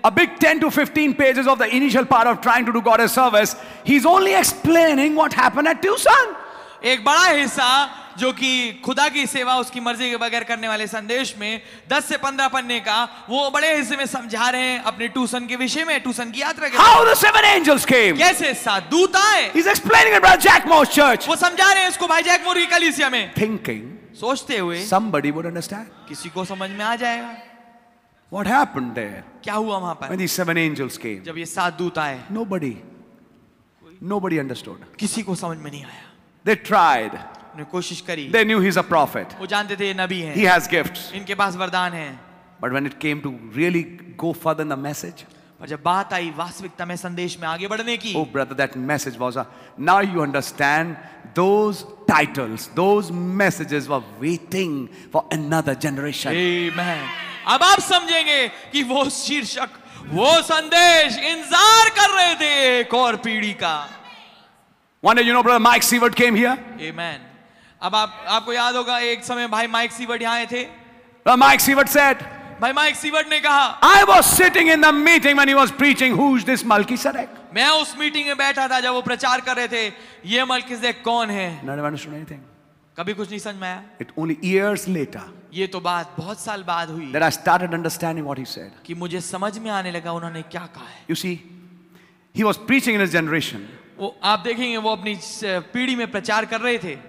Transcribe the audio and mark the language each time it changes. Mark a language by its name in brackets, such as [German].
[English] A big 10 to 15 pages of the initial part of trying to do God a service, he's only explaining what happened at Tucson. [Hindi] एक बड़ा हिस्सा जो कि खुदा की सेवा उसकी मर्जी के बगैर करने वाले संदेश में 10 से 15 पन्ने का, वो बड़े हिस्से में समझा रहे हैं अपने टूसन के विषय में, टूसन की यात्रा के. [English] How the seven angels came. [Hindi] कैसे सात दूत आए. [English] He's explaining it, brother Jack Moore's church. [Hindi] वो समझा रहे हैं इसको भाई जैक मोर की कलीसिया में. [English] Thinking. [Hindi] सोचते हुए. [English] Somebody would understand. [Hindi] किसी को समझ में आ जाएगा. [English] What happened there? [Hindi] क्या हुआ वहां पर? [English] When these seven angels came. [Hindi] जब ये सात दूत आए. [English] Nobody. Nobody understood. [Hindi] किसी को समझ में नहीं आया. [English] They tried. [Hindi] कोशिश करी. [English] They knew he's a prophet. [Hindi] वो जानते थे ये नबी हैं. [English] He has gifts. [Hindi] इनके पास वरदान हैं. [English] But when it came to really go further in the message. [Hindi] पर जब बात आई वास्तविकता में संदेश में आगे बढ़ने की. [English] Oh brother, that message was a. Now you understand those titles, those messages were waiting for another generation. Amen. [Hindi] अब आप समझेंगे कि वो शीर्षक, वो संदेश इंतजार कर रहे थे एक और पीढ़ी का. [English] One day, you know, brother Mike Seward came here. Amen. [Hindi] अब आपको याद होगा एक समय भाई माइक सीवर्ड यहाँ आए थे. [English] Brother Mike Seward said. [Hindi] भाई माइक सीवर्ड ने कहा. [English] I was sitting in the meeting when he was preaching. Who's this Melchizedek? [Hindi] मैं उस मीटिंग में बैठा था जब वो प्रचार कर रहे थे. ये मलकीसेदेक कौन है? [English] Never understood anything. [Hindi] कभी कुछ नहीं समझ में आया. [English] It only years later. [Hindi] ये तो बात बहुत साल बाद हुई. [English] That I started understanding what he said. [Hindi] कि मुझे समझ में आने लगा उन्होंने क्या कहा है. [English] You see, he was preaching in his generation. [Hindi] वो आप देखेंगे वो अपनी पीढ़ी में प्रचार कर रहे थे.